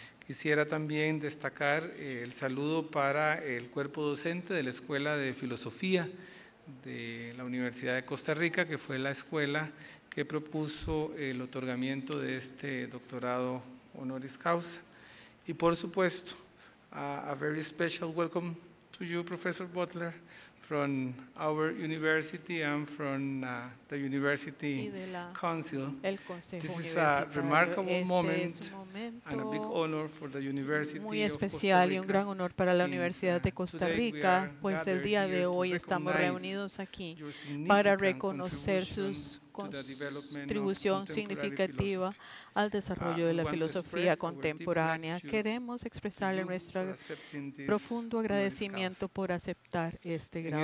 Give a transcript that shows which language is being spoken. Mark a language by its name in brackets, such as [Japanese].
[Spanish] Quisiera también destacar el saludo para el cuerpo docente de la Escuela de Filosofía de la Universidad de Costa Rica, que fue la escuela que propuso el otorgamiento de este doctorado honoris causa. Y por supuesto, [English] a very special welcome to you, Professor Butler, from our university and from the University Council. This is a remarkable moment and a big honor for the University of Costa Rica. [Spanish] Muy especial y un gran honor para la Universidad de Costa Rica, pues el día de hoy estamos reunidos aquí para reconocer su contribución significativa al desarrollo de la filosofía contemporánea. Queremos expresarle nuestro profundo agradecimiento por aceptar este grado.